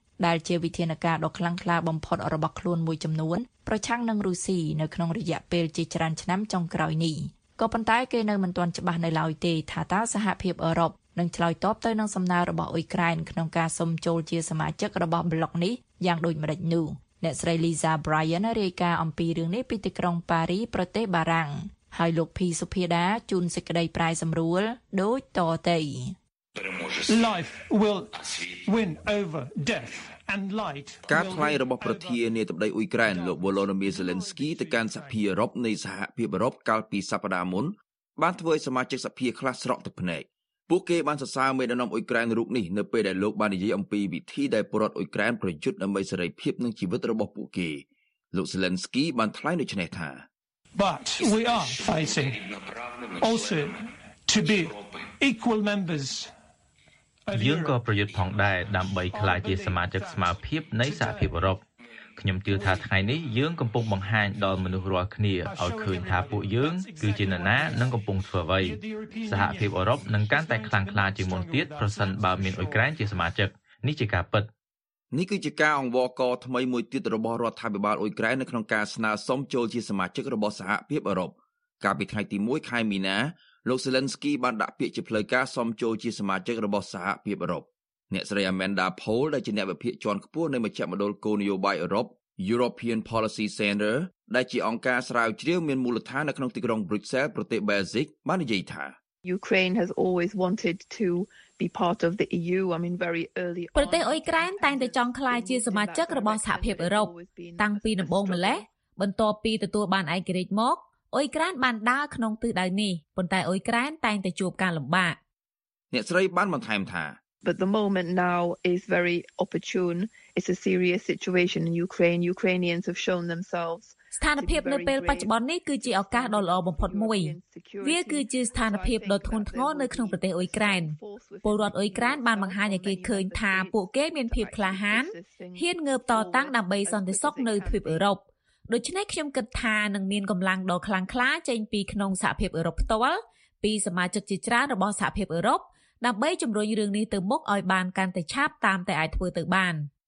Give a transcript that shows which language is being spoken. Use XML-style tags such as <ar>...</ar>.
<km>ដែលជាវិធានការដ៏ខ្លាំងក្លាបំផុតរបស់ខ្លួនមួយចំនួនប្រឆាំងនឹងរុស្ស៊ីនៅក្នុងរយៈពេលជាច្រើនឆ្នាំចុងក្រោយនេះក៏ប៉ុន្តែគេនៅមិនទាន់ច្បាស់នៅឡើយទេថាតើសហភាពអឺរ៉ុបនឹងឆ្លើយតបទៅនឹងសំណើរបស់អ៊ុយក្រែនក្នុងការសុំចូលជាសមាជិករបស់ប្លុកនេះយ៉ាងដូចម្តេចនោះអ្នកស្រី Lisa Bryan រាយការណ៍អំពីរឿងនេះពីទីក្រុងប៉ារីប្រទេសបារាំងហើយលោកភីសុភាដាជួនសេចក្តីប្រែសម្រួលដូចតទៅ</km> <en>Life will win over death. And light</en> <km>ការថ្លែងរបស់ប្រធាននាយកទបដីអ៊ុយក្រែនលោក Volodymyr Zelensky ទៅកាន់សហភាពអឺរ៉ុបនៃសហភាពអឺរ៉ុបកាលពីសប្តាហ៍មុនបានធ្វើឲ្យសមាជិកសហភាពខ្លះស្រក់ទឹកភ្នែកពួកគេបានសរសើរមេដឹកនាំអ៊ុយក្រែនរូបនេះនៅពេលដែលលោកបាននិយាយអំពីវិធីដែលប្រដ្ឋអ៊ុយក្រែនប្រយុទ្ធដើម្បីសេរីភាពនិងជីវិតរបស់ពួកគេលោក Zelensky បានថ្លែងដូចនេះថា</km> <en>But we are facing also to be equal members.</en> <km>យើងក៏ប្រយុទ្ធផងដែរដើម្បីក្លាយជាសមាជិកស្មារភាពនៃសហភាពអឺរ៉ុបខ្ញុំជឿថាថ្ងៃនេះយើងកំពុងបង្ហាញដល់មនុស្សរាល់គ្នាឲ្យឃើញថាពួកយើងគឺជានរណានិងកំពុងធ្វើអ្វីសហភាពអឺរ៉ុបនឹងកាន់តែខ្លាំងក្លាជាងមុនទៀតប្រសិនបើមានអ៊ុយក្រែនជាសមាជិកនេះជាការពិត នេះគឺជាការអង្វរកថ្មីមួយទៀតរបស់រដ្ឋាភិបាលអ៊ុយក្រែននៅក្នុងការស្នើសុំចូលជាសមាជិករបស់សហភាពអឺរ៉ុបកាលពីថ្ងៃទី1ខែមីនាលោក Zelensky បានដាក់ពាក្យជាផ្លូវការសុំចូលជាសមាជិករបស់សហភាពអឺរ៉ុបអ្នកស្រី Amanda Pole ដែលជាអ្នកវិភាគជាន់ខ្ពស់នៃមជ្ឈមណ្ឌលគោលនយោបាយអឺរ៉ុប European Policy Center ដែលជាអង្គការស្រាវជ្រាវមានមូលដ្ឋាននៅក្នុងទីក្រុង Brussels ប្រទេស Belgium បាននិយាយថា</km> <en>Ukraine has always wanted to be part of the EU I mean very early</en> <km>ប្រទេសអ៊ុយក្រែនតែងតែចង់ក្លាយជាសមាជិករបស់សហភាពអឺរ៉ុបតាំងពីដំបូងម្ល៉េះបន្ទាប់ពីទទួលបានឯករាជ្យមកអ៊ុយក្រែនបានដើរក្នុងទិសដៅនេះប៉ុន្តែអ៊ុយក្រែនតែងតែជួបការលំបាក អ្នកស្រីបានបន្ថែមថា</km> <en>But the moment now is very opportune it's a serious situation in Ukraine Ukrainians have shown themselves</en> <km>ស្ថានភាពនៅពេលបច្ចុប្បន្ននេះគឺជាឱកាសដ៏ល្អបំផុតមួយវាគឺជាស្ថានភាពដ៏ធ្ងន់ធ្ងរនៅក្នុងប្រទេសអ៊ុយក្រែនពលរដ្ឋអ៊ុយក្រែនបានបង្ហាញឲ្យគេឃើញថាពួកគេមានភាពក្លាហានហ៊ានងើបតតាំងដើម្បីសន្តិសុខនៅទ្វីបអឺរ៉ុបដូច្នេះខ្ញុំគិតថានឹងមានកម្លាំងដ៏ខ្លាំងក្លាចេញពីក្នុងសហភាពអឺរ៉ុបផ្ទាល់ពីសមាជិកជាច្រើនរបស់សហភាពអឺរ៉ុបដើម្បីជំរុញរឿងនេះទៅមុខឲ្យបានកាន់តែឆាប់តាមតែអាចធ្វើទៅបានន</km>